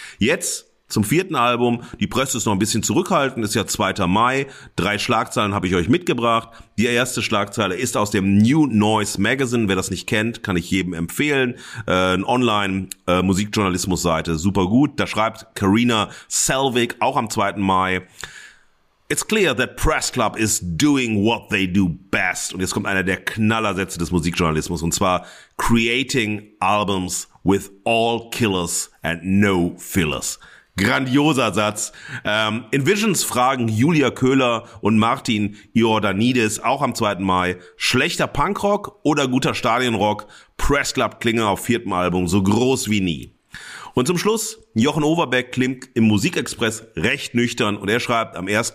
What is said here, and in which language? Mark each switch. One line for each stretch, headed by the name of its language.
German: Jetzt zum 4. Album. Die Presse ist noch ein bisschen zurückhaltend, ist ja 2. Mai. 3 Schlagzeilen habe ich euch mitgebracht. Die erste Schlagzeile ist aus dem New Noise Magazine. Wer das nicht kennt, kann ich jedem empfehlen. Eine Online-Musikjournalismus-Seite, super gut. Da schreibt Karina Selvig auch am 2. Mai.
English: It's clear that Press Club is doing what they do best.
German: Und jetzt kommt einer der Knallersätze des Musikjournalismus. Und zwar
English: creating albums with all killers and no fillers.
German: Grandioser Satz. In Visions fragen Julia Köhler und Martin Iordanidis auch am 2. Mai, schlechter Punkrock oder guter Stadionrock? Press Club klinge auf 4. Album so groß wie nie. Und zum Schluss, Jochen Overbeck klingt im Musikexpress recht nüchtern und er schreibt am 1.